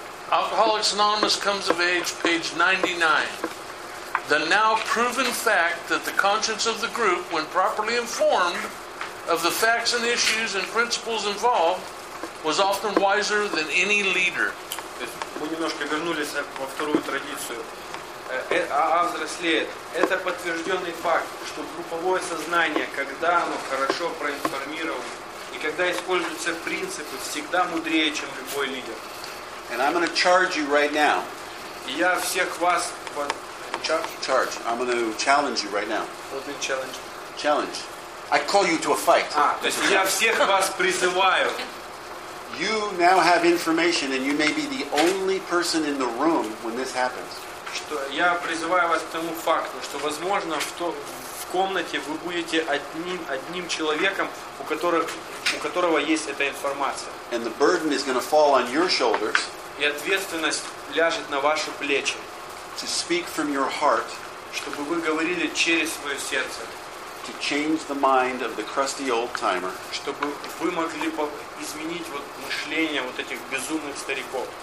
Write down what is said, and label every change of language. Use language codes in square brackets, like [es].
[en] Alcoholics Anonymous comes of age, page 99. The now proven fact that the conscience of the group, when properly informed of the facts and issues and principles involved, was often wiser than any leader. [ru] Мы немножко вернулись во вторую традицию. Автор следует. Это подтвержденный факт, что групповое сознание, когда оно хорошо проинформировано и когда используются принципы, всегда мудрее, чем любой лидер. [en] And I'm going to charge you right now. [ru] Я всех вас [en] charge. I'm going to challenge you right now. What is challenge? Challenge. I call you to a fight. [ru] То есть я всех вас призываю. [en] You now have information, and you may be the only person in the room when this happens. [ru] Что я призываю вас к тому факту, что возможно в комнате вы будете одним человеком, у которого есть эта информация. [en] And the burden is going to fall on your shoulders. [ru] И ответственность ляжет на ваши плечи. [en] To speak from your heart. [ru] Чтобы вы говорили через свое сердце. [en] To change the mind of the crusty old timer. [ru] Чтобы вы могли изменить вот мышление вот этих безумных стариков.